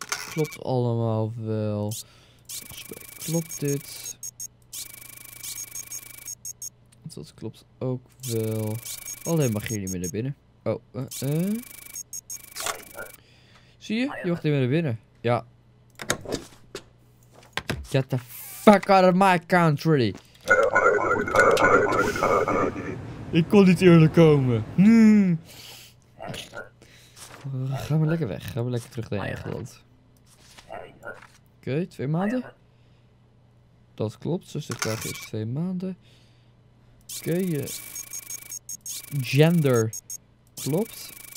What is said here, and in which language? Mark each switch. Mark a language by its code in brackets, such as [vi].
[nl] Klopt allemaal wel. Klopt dit? Dat klopt ook wel. Alleen mag je niet meer naar binnen. Zie je? Je wacht even naar binnen. Ja. [en] Get the fuck out of my country. [nl] Ik kon niet eerder komen. Ga maar lekker weg. Ga maar lekker terug naar je eigen land. Oké, 2 maanden. Dat klopt. Dus de vraag is 2 maanden. Oké, je... Gender. Klopt.